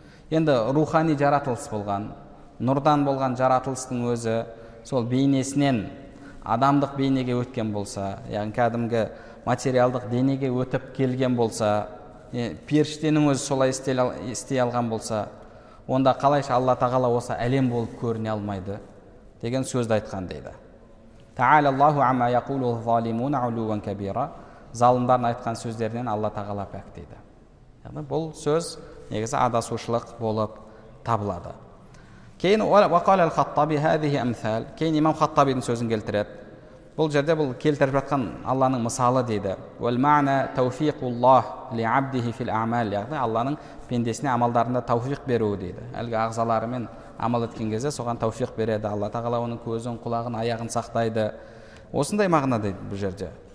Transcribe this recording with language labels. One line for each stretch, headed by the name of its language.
Kazakh: Енді рухани жаратылыс болған, нұрдан болған жаратылыстың өзі сол бейнесінен адамдық бейнеге өткен болса, яғни кәдімгі материалдық денеге өтіп келген болса, періштенің өзі солай істей алған болса, онда қалайша Алла Тағала осы әлем болып көріне алмайды деген сөзді айтқан дейді.
Arabic: Тааляллаху амма якулу зәлимун улуван кабира.
Kazakh: Залымдардың айтқан сөздерінен Алла Тағала пәк дейді. Яғни бұл сөз негізі адасушылық болып табылады. Кейін
Arabic: وقال الخطابي هذه امثال.
Kazakh: Кейін имам Хаттабидің сөзін келтіреді. Бұл жерде бұл келтіріп жатқан Алланың мысалы дейді.
Arabic: Ул мана тауфиқуллах ли абдихи фил амал.
Kazakh: Яғни Алланың пендесіне амалдарында тауфиқ беруі дейді. Әлгі ағзалары мен амал еткен кезде соған тауфиқ береді. Алла Тағала оның көзін, құлағын, аяғын сақтайды. Осындай мағына дейді бұл жерде.